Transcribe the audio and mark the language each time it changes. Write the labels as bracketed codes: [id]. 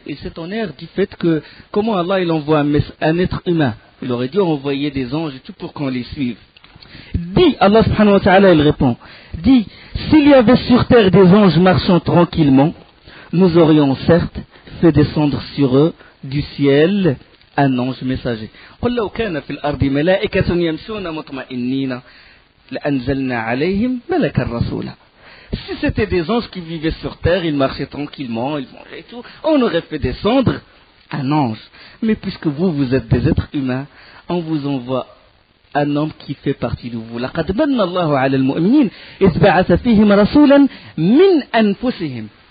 [fr] Ils s'étonnèrent du fait que comment Allah il envoie un être humain? Il aurait dû envoyer des anges et tout pour qu'on les suive. Dit Allah subhanahu wa ta'ala, il répond, dit: s'il y avait sur terre des anges marchant tranquillement, nous aurions certes fait descendre sur eux du ciel un ange messager. [ar] قل لو كان في الأرض ملائكة يمشون مطمئنين لأنزلنا عليهم ملكا رسولا. [fr] Si c'était des anges qui vivaient sur terre, ils marchaient tranquillement, ils mangeaient et tout, on aurait fait descendre un ange. Mais puisque vous êtes des êtres humains, on vous envoie un homme qui fait partie de vous. [ar] لَقَدْ بَنَّ اللَّهُ عَلَى الْمُؤْمِنِينَ إِذْ بَعَثَ فِيهِمْ رَسُولًا مِنْ أَنْفُسِهِمْ.